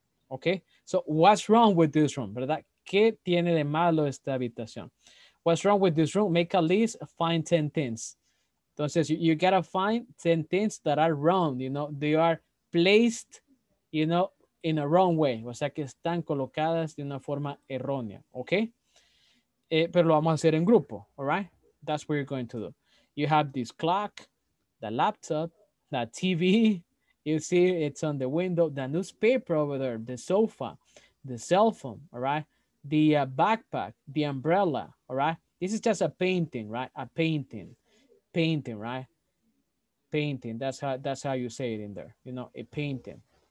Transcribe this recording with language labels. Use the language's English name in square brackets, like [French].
[English] Okay, so what's wrong with this room? [Spanish] ¿Verdad? ¿Qué tiene de malo esta habitación? [English] What's wrong with this room? Make a list, find 10 things. Entonces, you gotta find 10 things that are wrong, you know, they are placed, you know, in a wrong way. [Spanish] O sea, que están colocadas de una forma errónea, okay? Pero lo vamos a hacer en grupo, [English] all right? That's what you're going to do. You have this clock, the laptop, that TV, you see it's on the window, the newspaper over there, the sofa, the cell phone, all right? The backpack, the umbrella, all right? This is just a painting, right? A painting, painting, right? Painting, that's how you say it in there, you know, a painting.